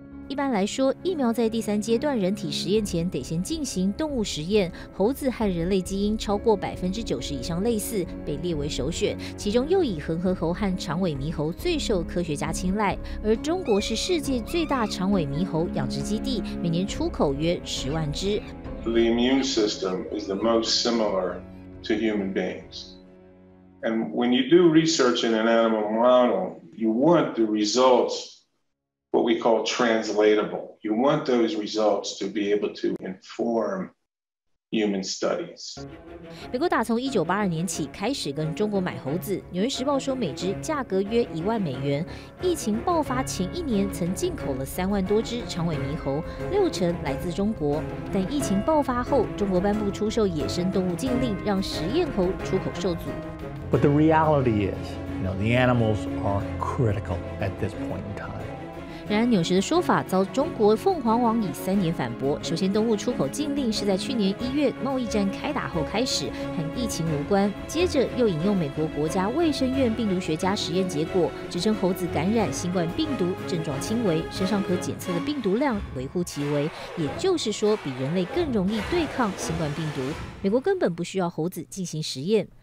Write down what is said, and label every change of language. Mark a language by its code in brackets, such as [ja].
[zh] 一般来说，疫苗在第三阶段人体实验前得先进行动物实验，猴子和人类基因超过90%以上类似被列为首选，其中又以恒河猴和长尾猕猴最受科学家青睐。而中国是世界最大长尾猕猴养殖基地，每年出口约10万只。 [en] The immune system is the most similar to human beings. And when you do research in an animal model, you want the resultsWhat we call translatable. You want those results to be able to inform human studies. [zh] 美国打从1982年起开始跟中国买猴子。纽约时报说，每只价格约$10,000。疫情爆发前一年，曾进口了30,000多只长尾猕猴，60%来自中国。但疫情爆发后，中国颁布出售野生动物禁令，让实验猴出口受阻。 [en] But the reality is, you know, the animals are critical at this point in time. [zh] 然而纽时的说法遭中国凤凰网以3年反驳。首先，动物出口禁令是在去年1月贸易战开打后开始，和疫情无关。接着又引用美国国家卫生院病毒学家实验结果，指称猴子感染新冠病毒症状轻微，身上可检测的病毒量微乎其微，也就是说比人类更容易对抗新冠病毒，美国根本不需要猴子进行实验。